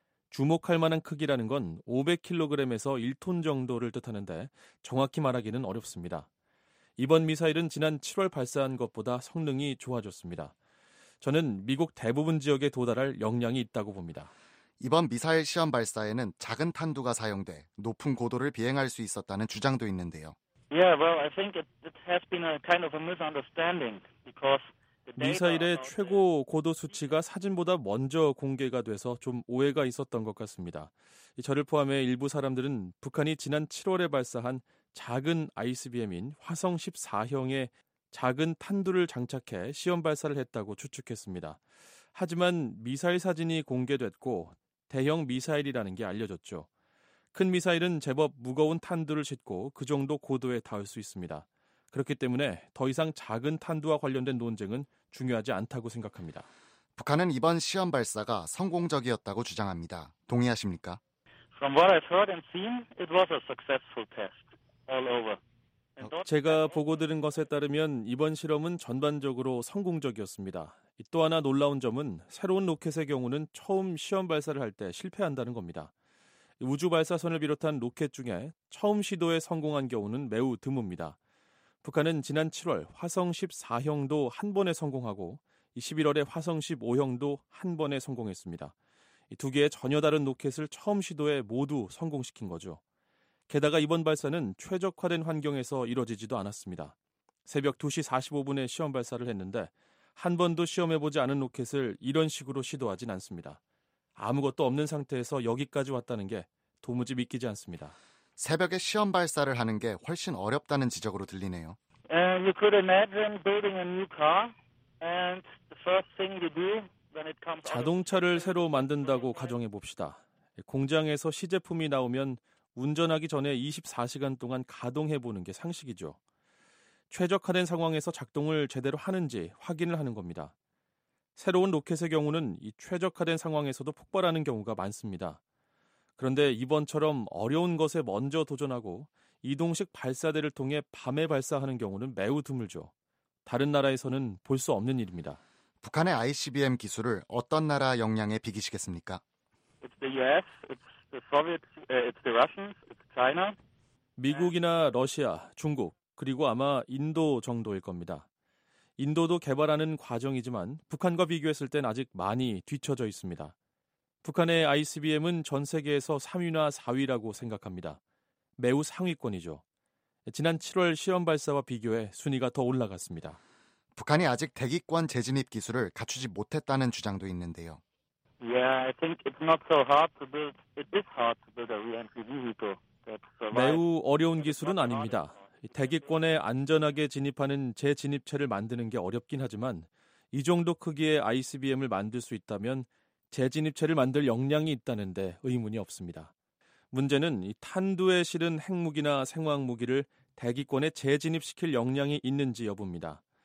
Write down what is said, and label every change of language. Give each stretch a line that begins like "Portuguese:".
Korean: 주목할 만한 크기라는 건 500kg에서 1톤 정도를 뜻하는데 정확히 말하기는 어렵습니다. 이번 미사일은 지난 7월 발사한 것보다 성능이 좋아졌습니다. 저는 미국 대부분 지역에 도달할 역량이 있다고 봅니다. 이번 미사일 시험 발사에는 작은 탄두가 사용돼 높은 고도를 비행할 수 있었다는 주장도 있는데요.
English: Yeah, well, I think it has been a kind of a misunderstanding because
Korean: 미사일의 최고 고도 수치가 사진보다 먼저 공개가 돼서 좀 오해가 있었던 것 같습니다. 저를 포함해 일부 사람들은 북한이 지난 7월에 발사한 작은 ICBM인 화성 14형에 작은 탄두를 장착해 시험 발사를 했다고 추측했습니다. 하지만 미사일 사진이 공개됐고 대형 미사일이라는 게 알려졌죠. 큰 미사일은 제법 무거운 탄두를 싣고 그 정도 고도에 닿을 수 있습니다. 그렇기 때문에 더 이상 작은 탄두와 관련된 논쟁은 중요하지 않다고 생각합니다. 북한은 이번 시험 발사가 성공적이었다고 주장합니다. 동의하십니까?
English: From what I've heard and seen, it was a successful test all over.
Korean: 제가 보고 들은 것에 따르면 이번 실험은 전반적으로 성공적이었습니다. 또 하나 놀라운 점은 새로운 로켓의 경우는 처음 시험 발사를 할 때 실패한다는 겁니다. 우주 발사선을 비롯한 로켓 중에 처음 시도에 성공한 경우는 매우 드뭅니다. 북한은 지난 7월 화성 14형도 한 번에 성공하고 11월에 화성 15형도 한 번에 성공했습니다. 두 개의 전혀 다른 로켓을 처음 시도에 모두 성공시킨 거죠. 게다가 이번 발사는 최적화된 환경에서 이뤄지지도 않았습니다. 새벽 2시 45분에 시험 발사를 했는데 한 번도 시험해보지 않은 로켓을 이런 식으로 시도하진 않습니다. 아무것도 없는 상태에서 여기까지 왔다는 게 도무지 믿기지 않습니다. 새벽에 시험 발사를 하는 게 훨씬 어렵다는 지적으로 들리네요.
English: You could imagine building a new car and the first thing you do when it comes
Korean: 자동차를 새로 만든다고 가정해 봅시다. 공장에서 시제품이 나오면 운전하기 전에 24시간 동안 가동해 보는 게 상식이죠. 최적화된 상황에서 작동을 제대로 하는지 확인을 하는 겁니다. 새로운 로켓의 경우는 이 최적화된 상황에서도 폭발하는 경우가 많습니다. 그런데 이번처럼 어려운 것에 먼저 도전하고 이동식 발사대를 통해 밤에 발사하는 경우는 매우 드물죠. 다른 나라에서는 볼 수 없는 일입니다. 북한의 ICBM 기술을 어떤 나라 역량에 비기시겠습니까?
English: It's the US, it's the Soviet, it's the Russians, it's China.
Korean: 미국이나 러시아, 중국, 그리고 아마 인도 정도일 겁니다. 인도도 개발하는 과정이지만 북한과 비교했을 땐 아직 많이 뒤처져 있습니다. 북한의 ICBM은 전 세계에서 3위나 4위라고 생각합니다. 매우 상위권이죠. 지난 7월 시험 발사와 비교해 순위가 더 올라갔습니다. 북한이 아직 대기권 재진입 기술을 갖추지 못했다는 주장도 있는데요.
English: Yeah, I think it's not so hard to build. It is hard to build a re-entry vehicle.
Korean: 매우 어려운 기술은 아닙니다. 대기권에 안전하게 진입하는 재진입체를 만드는 게 어렵긴 하지만 이 정도 크기의 ICBM을 만들 수 있다면 재진입체를 만들 역량이 있다는데 의문이 없습니다. 문제는 이 탄두에 실은 핵무기나 생화학무기를 대기권에 재진입시킬 역량이 있는지 여부입니다.